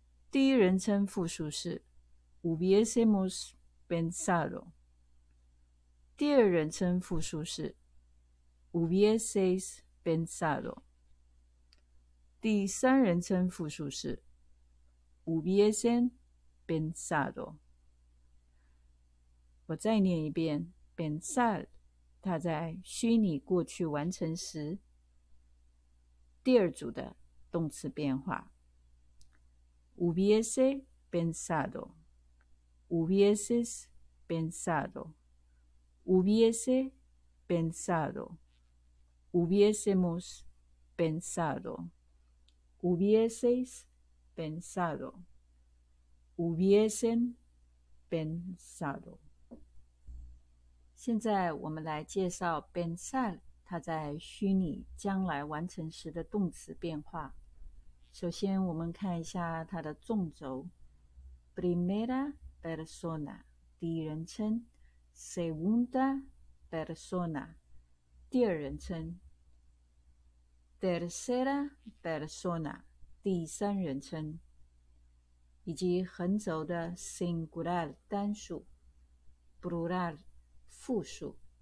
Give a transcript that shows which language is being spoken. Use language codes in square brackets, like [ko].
[zh] 第一人称复数是 [es] hubiésemos pensado， [zh] 第二人称复数是 [es] hubieses pensado， [zh] 第三人称复数是 [es] hubiesen pensado。 [zh] 我再念一遍pensar， 它在虚拟过去完成时第二组的动词变化 [es] hubiese pensado， hubieses pensado， hubiese pensado， hubiésemos pensado， hubieseis pensado， hubiesen pensado。 [zh] 现在我们来介绍 pensar 它在虚拟将来完成时的动词变化。首先我们看一下它的纵轴 [es] primera persona [zh] 第一人称， [es] segunda persona [zh] 第二人称， [es] tercera persona [zh] 第三人称，以及横轴的 [es] singular [zh] 单数 [es] plural [zh] 复数。